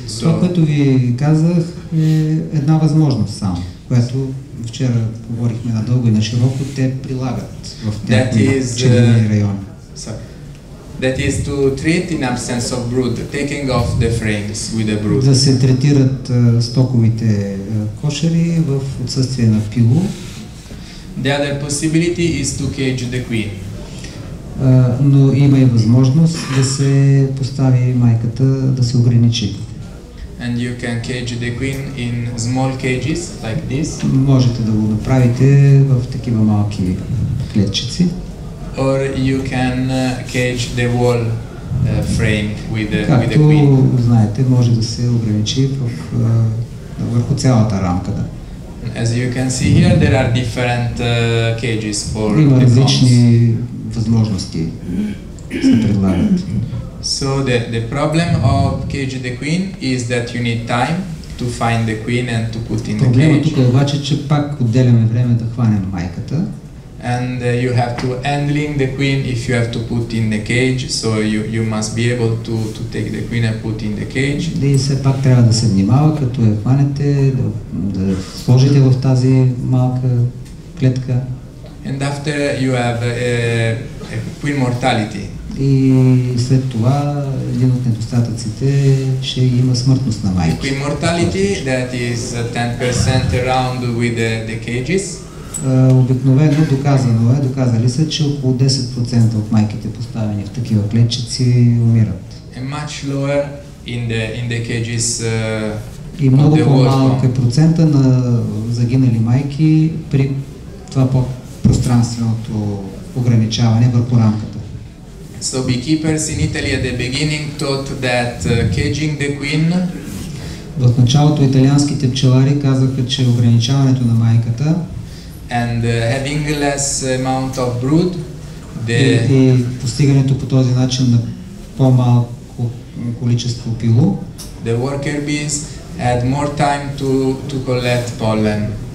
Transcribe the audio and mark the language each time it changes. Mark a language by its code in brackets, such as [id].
[bg] Това, което ви казах, е една възможност само, която вчера говорихме надълго и на широко, те прилагат в тези пчелини райони. [en] That is to treat in absence of brood, taking off the frames with the brood. [bg] Да се третират стоковите кошери в отсъствие на пило. [en] The other possibility is to cage the queen. [bg] Но има и възможност да се постави майката, да се ограничи. [en] And you can cage the queen in small cages, like this. [bg] Можете да го направите в такива малки клетчици. [en] Or you can cage the wall frame with the [bg] Както [en] with the queen. [bg] Както знаете, може да се ограничи върху цялата рамка. Да. [en] As you can see here, there are different cages for [bg] the Има различни възможности се предлагат. [en] So the problem of cage the queen is that you need time to find the queen and to put in the cage. [bg] Проблемът тук е обаче, че пак отделяме време да хванем майката. [en] And you have to handling the queen if you have to put in the cage, so you must be able to take the queen and put in the cage. [bg] Да, и все пак трябва да се внимава, като я хванете, да сложите в тази малка клетка. [en] And after you have a queen mortality. [bg] И след това един от недостатъците ще има смъртност на майките. [en] Queen mortality, that is 10% around with the cages. [bg] Обикновено доказано е, доказали са, че около 10% от майките поставени в такива клетчици умират. [en] And much lower in the cages. [bg] И много по-малък е процента на загинали майки при това по-пространственото ограничаване върху рамката. [en] So beekeepers in Italy at the beginning thought that caging the queen. [bg] В началото италианските пчелари казаха, че ограничаването на майката [en] and having less amount of brood, [bg] и постигането по този начин на по-малко количество пило, [en] the worker bees had more time to collect pollen.